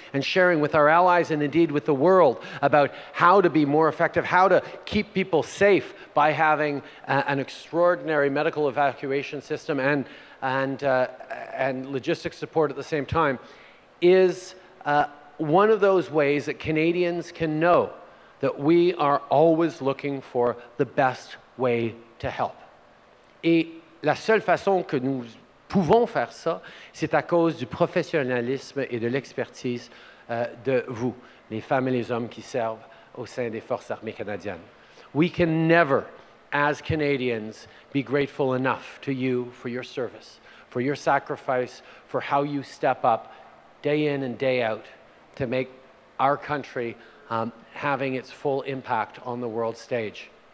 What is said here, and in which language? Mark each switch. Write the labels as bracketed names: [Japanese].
[English] and sharing with our allies and indeed with the world about how to be more effective, how to keep people safe by having an extraordinary medical evacuation system and logistics support at the same time, is one of those ways that Canadians can know that we are always looking for the best way to help. [French] Et la seule façon que nous pouvons faire ça, c'est à cause du professionnalisme et de l'expertise de vous, les femmes et les hommes qui servent au sein des Forces armées canadiennes. [English] We can never, as Canadians, be grateful enough to you for your service, for your sacrifice, for how you step up day in and day out to make our country having its full impact on the world stage.